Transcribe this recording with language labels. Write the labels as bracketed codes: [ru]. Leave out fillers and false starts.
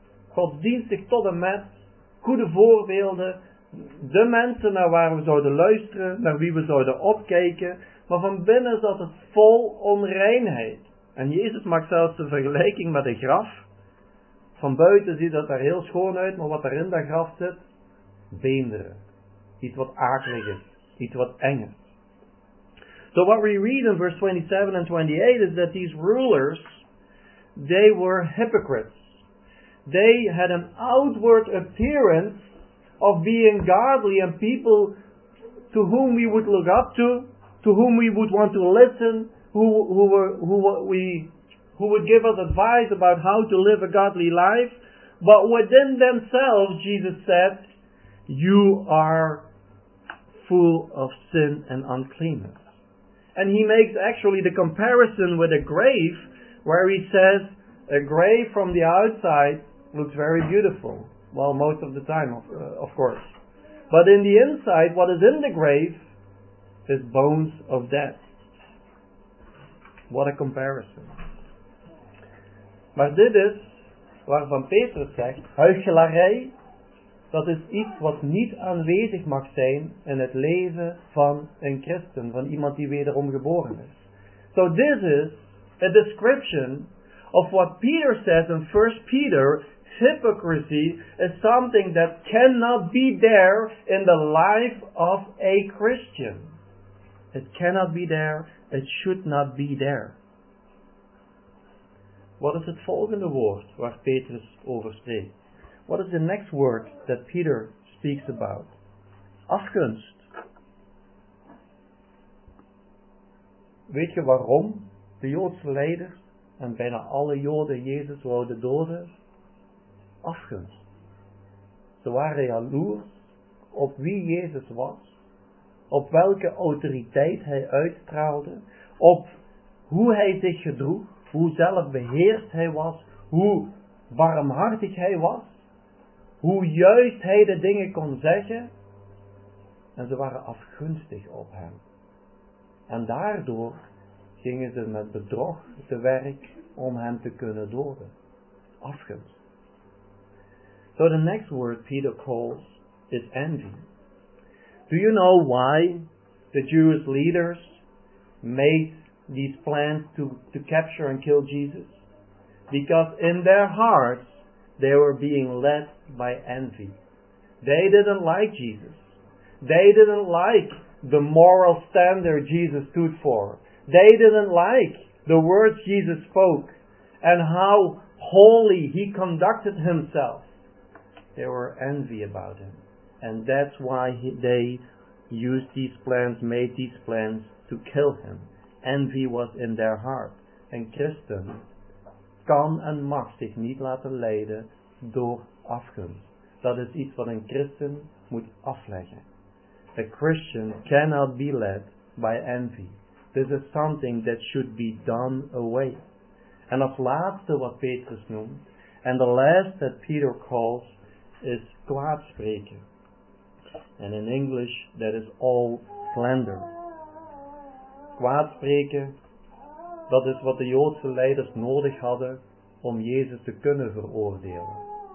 [nl] Godsdienstig tot en met, goede voorbeelden, de mensen naar waar we zouden luisteren, naar wie we zouden opkijken, maar van binnen zat het vol onreinheid. En Jezus maakt zelfs de vergelijking met een graf. Van buiten ziet dat er heel schoon uit, maar wat er in dat graf zit, beenderen. Iets wat akelig is, iets wat eng is. [en] So what we read in verse 27 and 28 is that these rulers, they were hypocrites. They had an outward appearance of being godly and people to whom we would look up to whom we would want to listen, who would give us advice about how to live a godly life. But within themselves, Jesus said, you are full of sin and uncleanness. And he makes actually the comparison with a grave where he says, a grave from the outside looks very beautiful, well, most of the time, of course. But in the inside, what is in the grave is bones of death. What a comparison. [nl] Maar dit is waarvan Petrus zegt, huichelarij, dat is iets wat niet aanwezig mag zijn in het leven van een christen, van iemand die wederom geboren is. [en] So this is a description of what Peter says in 1 Peter. Hypocrisy is something that cannot be there in the life of a Christian. It cannot be there. It should not be there. [nl] Wat is het volgende woord waar Petrus over spreekt? [en] What is the next word that Peter speaks about? [nl] Afgunst. Weet je waarom de Joodse leiders en bijna alle Joden Jezus wouden doden? Afgunst. Ze waren jaloers op wie Jezus was, op welke autoriteit hij uitstraalde, op hoe hij zich gedroeg, hoe zelfbeheerst hij was, hoe barmhartig hij was, hoe juist hij de dingen kon zeggen. En ze waren afgunstig op hem. En daardoor gingen ze met bedrog te werk om hem te kunnen doden. Afgunst. [en] So the next word Peter calls is envy. Do you know why the Jewish leaders made these plans to capture and kill Jesus? Because in their hearts they were being led by envy. They didn't like Jesus. They didn't like the moral standard Jesus stood for. They didn't like the words Jesus spoke and how holy he conducted himself. They were envy about him. And that's why they used these plans, made these plans to kill him. Envy was in their heart. [nl] En Christen kan en mag zich niet laten leiden door afgunst. Dat is iets wat een Christen moet afleggen. [en] A Christian cannot be led by envy. This is something that should be done away. [nl] En als laatste wat Petrus noemt, [en] and the last that Peter calls, [nl] is kwaad spreken. [en] And in English, that is all slander. [nl] Kwaad spreken, dat is wat de Joodse leiders nodig hadden om Jezus te kunnen veroordelen.